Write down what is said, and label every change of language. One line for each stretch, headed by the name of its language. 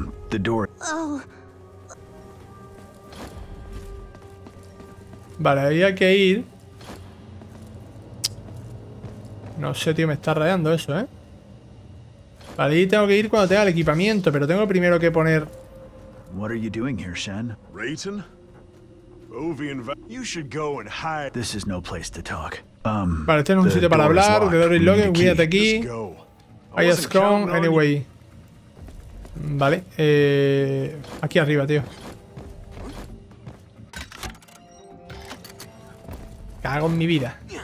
English: The door.
Spanish: Vale, ahí hay que ir. No sé, tío, me está rayando eso, ¿eh? Vale, ahí tengo que ir cuando tenga el equipamiento, pero tengo primero que poner.
English: What are you doing here, Shen? Rayton? Ovian, you should go and hide. This is no place to talk.
Spanish: Vale, este no es un sitio para hablar. De Dory Logan, cuídate aquí.
English: I was strong anyway.
Spanish: Vale, aquí arriba, tío. Cago en mi vida.